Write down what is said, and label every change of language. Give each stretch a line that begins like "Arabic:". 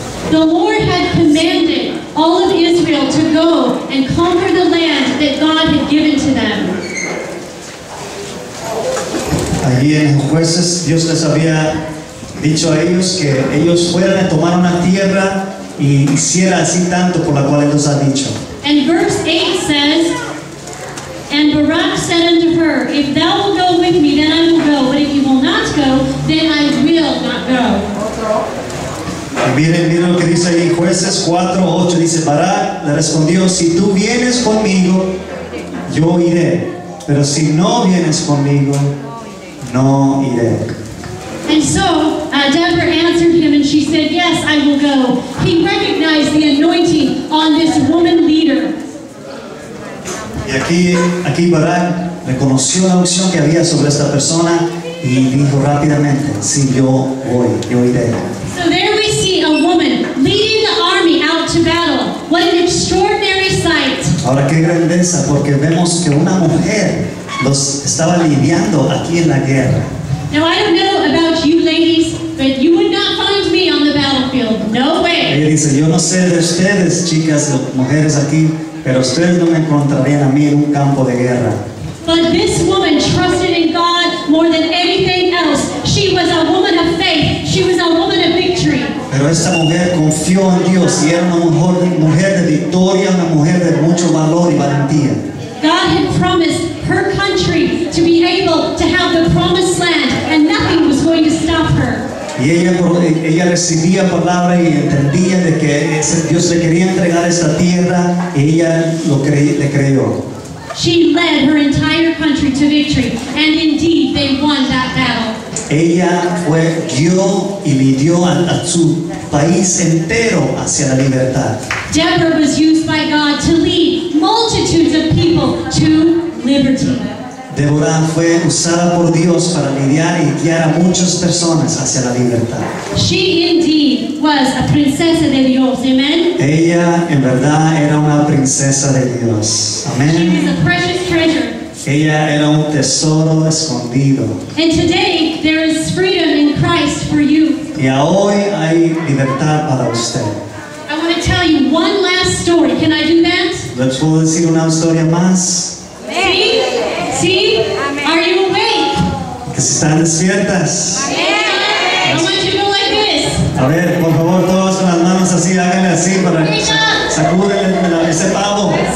English: The Lord had commanded all of Israel to go and conquer the land that God had given to them.
Spanish: Allí ahí en Jueces, Dios les había dicho a ellos que ellos fueran a tomar una tierra y hiciera así tanto por la cual él los ha dicho.
English: And verse 8 says, and Barak said unto her, if thou wilt go with me, then I will go, but if you will not go, then I will not go.
Spanish: Y miren lo que dice ahí Jueces 4:8, dice, Barak le respondió, si tú vienes conmigo, yo iré, pero si no vienes conmigo, no iré.
English: And so Deborah answered him and she said, yes, I will go. He recognized the anointing on this woman leader.
Spanish: Y aquí Barak reconoció la unción que había sobre esta persona y dijo rápidamente, sí, yo voy, yo iré.
English: So there we see a woman leading the army out to battle. What an extraordinary sight.
Spanish: Ahora qué grandeza, porque vemos que una mujer los estaba lidiando aquí en la guerra.
English: Now I don't know about you ladies, but you would not find me on the battlefield. No way.
Spanish: Ella dice, yo no sé de ustedes, chicas, mujeres aquí, pero ustedes no me encontrarían a mí en un campo de guerra.
English: But this woman trusted in God more than anything else. She was a woman of faith. She was a woman of victory.
Spanish: Pero esta mujer confió en Dios y era una mujer de victoria, una mujer de mucho valor y valentía.
English: God had promised her country to be able to have the promised land, and nothing was going to stop her.
Spanish: Y ella recibía palabra y entendía de que ese Dios le quería entregar esta tierra y ella le creyó.
English: She led her entire country to victory, and indeed they won that battle.
Spanish: Ella fue, guió y lidió a su país entero hacia la libertad.
English: Deborah was used by God to lead multitudes of people to liberty.
Spanish: Deborah fue usada por Dios para lidiar y guiar a muchas personas hacia la libertad.
English: She indeed was a
Spanish: princesa de Dios.
English: Amen.
Spanish: Ella en verdad era una princesa de Dios. Amen.
English: She was a precious treasure.
Spanish: Ella era un tesoro escondido.
English: And today there is freedom in Christ for you.
Spanish: Y hoy hay libertad para usted.
English: I want to tell you one last story. Can I do that?
Spanish: ¿Les puedo decir una historia más? Sí. Sí.
English: Are you awake?
Spanish: ¿Están despiertas?
English: Yes. I want you to go like this.
Spanish: A ver, por favor, todos con las manos así, háganle así para sacúdenle ese pavo.